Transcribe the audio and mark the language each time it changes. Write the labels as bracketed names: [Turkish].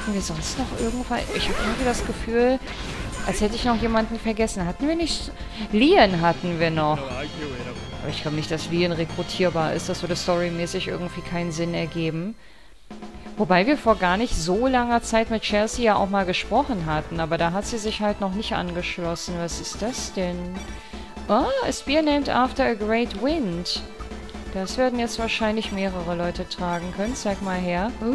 [German] Hatten wir sonst noch irgendwann? Ich habe irgendwie das Gefühl, als hätte ich noch jemanden vergessen. Hatten wir nicht... Lian hatten wir noch. Aber ich glaube nicht, dass Lian rekrutierbar ist. Das würde storymäßig irgendwie keinen Sinn ergeben. Wobei wir vor gar nicht so langer Zeit mit Chelsea ja auch mal gesprochen hatten, aber da hat sie sich halt noch nicht angeschlossen. Was ist das denn? [English] Oh, a spear named after a great wind. [German] Das werden jetzt wahrscheinlich mehrere Leute tragen können. Zeig mal her.